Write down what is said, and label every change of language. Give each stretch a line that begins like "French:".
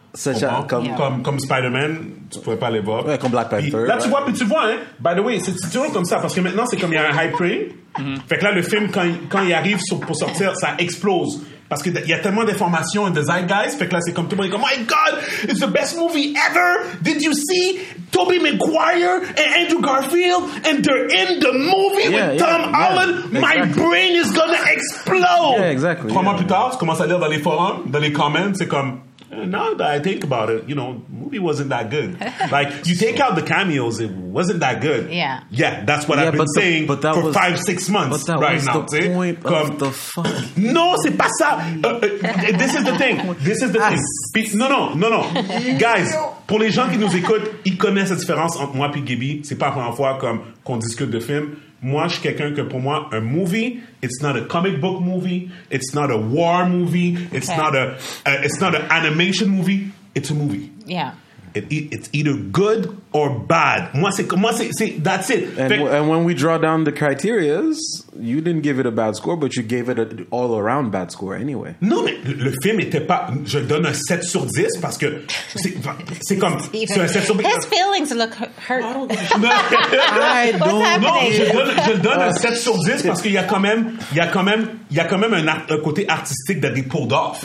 English: Such a,
French: comme Spider-Man, tu pouvais pas
English: live up.
French: Ouais, comme Black Panther. Puis, là, tu vois, hein.
English: By the way,
French: c'est toujours comme ça. Parce que maintenant, c'est comme il y a un hype train. Fait que là, le film, quand il arrive pour sortir, ça explose. Parce qu'il y a tellement d'informations et de zeitgeist. Fait que là, c'est comme tout le monde est comme,
English: oh my God, it's the best movie ever. Did you see Tobey Maguire and Andrew Garfield? And they're in the movie with Tom Holland. Exactly. My brain is gonna explode. Yeah, exactly.
French: Trois mois plus tard, tu commences à lire dans les forums, dans les comments. C'est comme,
English: now that I think about it, you know, movie wasn't that good. Like, you take out the cameos, it wasn't that good. Yeah. Yeah, that's what I've been saying for 5-6 months but that right was now. The point
French: comme,
English: of the fuck? No,
French: c'est pas ça.
English: This is the thing. No.
French: Guys, pour les gens qui nous écoutent, ils connaissent la différence entre moi et Gibby. C'est pas la première fois comme qu'on discute de films. Moi, je suis quelqu'un que pour moi, un
English: movie, it's not a comic book movie, it's not a war movie, it's not a, it's not an animation movie, it's a movie. Yeah. It's either good or bad.
French: Moi, c'est,
English: that's it. And when we draw down the criterias, you didn't give it a bad score, but you gave it an all-around bad score anyway.
French: Non, mais le film était pas, je donne un 7 sur 10 parce que c'est comme, c'est un 7 sur 10.
English: His feelings look hurt.
French: Je donne un 7 sur 10 parce qu'il y a quand même, un côté artistique d'être
English: pulled off.